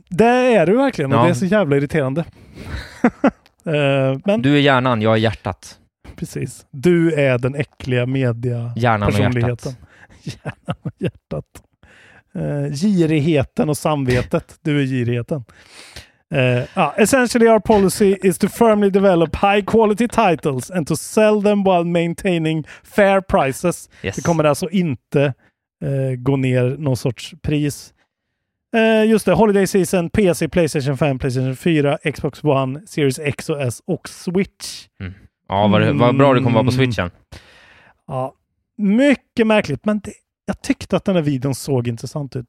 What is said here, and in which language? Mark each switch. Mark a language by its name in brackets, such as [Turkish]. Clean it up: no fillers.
[Swedish] Det är du verkligen. Ja. Det är så jävla irriterande. Men du är hjärnan, jag är hjärtat. Precis. Du är den äckliga media personligheten. Hjärnan och hjärtat. Girigheten och samvetet. Du är girigheten. [English] Essentially our policy is to firmly develop high quality titles and to sell them while maintaining fair prices. Yes. [Swedish] Det kommer alltså inte gå ner någon sorts pris. Just det, holiday season, PC, PlayStation 5, PlayStation 4, Xbox One, Series X och S och Switch. Mm. Ja, vad bra det kommer vara på Switchen. Ja, mycket märkligt, men det jag tyckte att den här videon såg intressant ut.